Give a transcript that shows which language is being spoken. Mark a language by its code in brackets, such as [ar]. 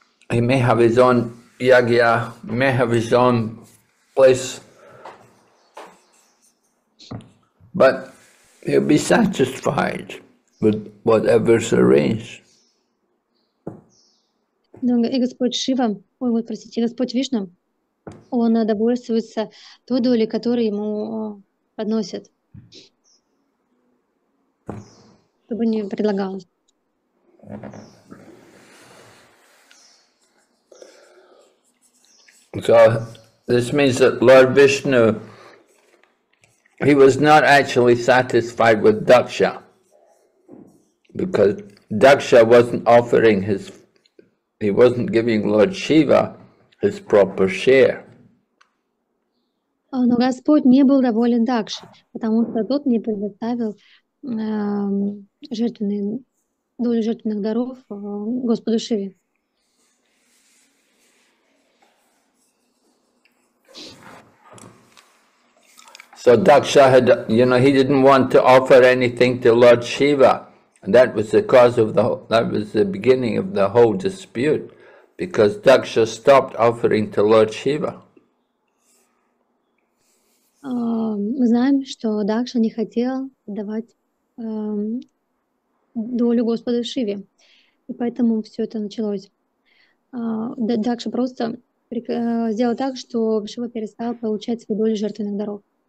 [en] He may have his own yajna, may have his own place, but he'll be satisfied with whatever's arranged. [ru] Но и Господь Шива, ой, вот простите, Господь Вишна, он довольствуется той долей, которую ему подносят, чтобы не предлагал. [en] So this means that Lord Vishnu, he was not actually satisfied with Daksha, because Daksha wasn't offering his, he wasn't giving Lord Shiva his proper share. [ru] Но Господь не был доволен Дакши, потому что тот не предоставил долю жертвенных даров Господу Шиве. [en] So Daksha had, you know, he didn't want to offer anything to Lord Shiva. And that was the cause of the whole, that was the beginning of the whole dispute, because Daksha stopped offering to Lord Shiva. [ru] Мы знаем, что Дакша не хотел давать долю Господу Шиве. И поэтому все это началось. Дакша просто сделал так, что Шива перестал получать свою долю жертвенных даров.